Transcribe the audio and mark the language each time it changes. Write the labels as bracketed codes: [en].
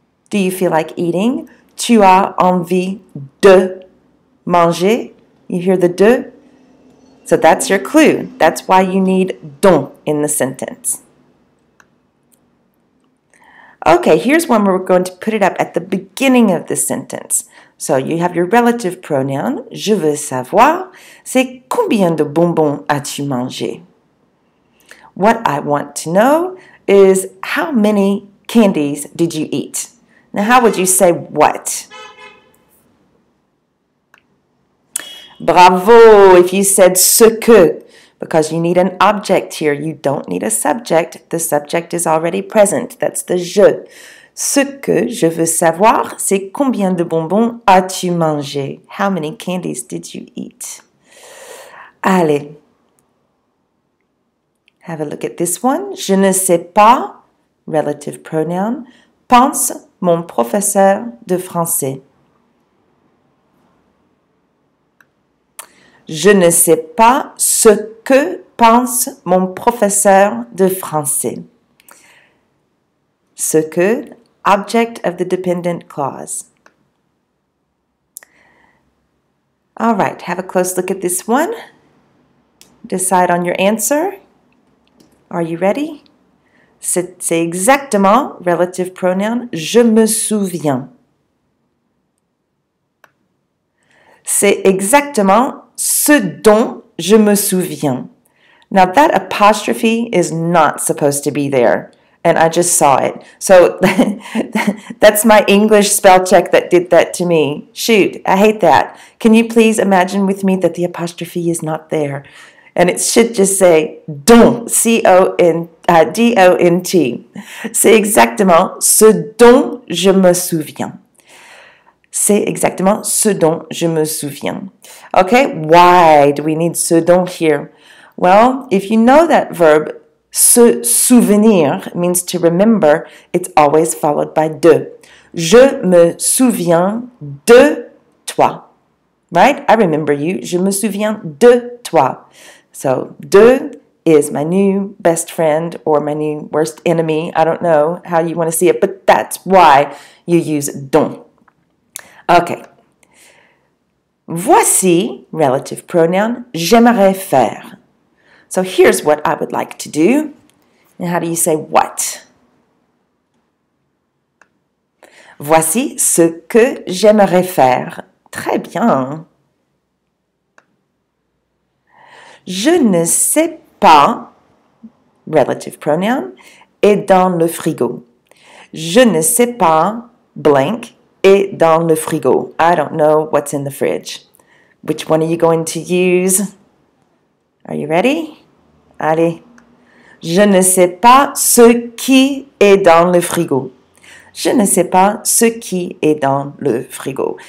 [en] Do you feel like eating? [fr] Tu as envie de manger? [en] You hear the de? So that's your clue. That's why you need don in the sentence. Okay, here's one where we're going to put it up at the beginning of the sentence. So you have your relative pronoun. [fr] Je veux savoir. C'est combien de bonbons as-tu mangé? [en] What I want to know is how many candies did you eat? Now, how would you say what? Bravo if you said ce que, because you need an object here. You don't need a subject. The subject is already present. That's the je. [fr] Ce que je veux savoir, c'est combien de bonbons as-tu mangé? [en] How many candies did you eat? [fr] Allez. [en] Have a look at this one. [fr] Je ne sais pas, [en] relative pronoun, [fr] pense mon professeur de français. Je ne sais pas ce que pense mon professeur de français. [en] Ce que, object of the dependent clause. All right, have a close look at this one. Decide on your answer. Are you ready? [fr] C'est exactement [en] relative pronoun, [fr] je me souviens. C'est exactement ce dont je me souviens. [en] Now that apostrophe is not supposed to be there, and I just saw it. So that's my English spell check that did that to me. Shoot, I hate that. Can you please imagine with me that the apostrophe is not there? And it should just say don't, C-O-N-D-O-N-T. [fr] C'est exactement ce dont je me souviens. C'est exactement ce dont je me souviens. [en] Okay, why do we need ce dont here? Well, if you know that verb, se souvenir means to remember, it's always followed by de. [fr] Je me souviens de toi. [en] Right? I remember you. [fr] Je me souviens de toi. [en] So, de is my new best friend or my new worst enemy. I don't know how you want to see it, but that's why you use don. Okay. [fr] Voici, [en] relative pronoun, [fr] j'aimerais faire. [en] So here's what I would like to do. And how do you say what? [fr] Voici ce que j'aimerais faire. Très bien. Je ne sais pas, [en] relative pronoun, [fr] est dans le frigo. Je ne sais pas, blank, est dans le frigo. [en] I don't know what's in the fridge. Which one are you going to use? Are you ready? Allez. [fr] Je ne sais pas ce qui est dans le frigo. Je ne sais pas ce qui est dans le frigo.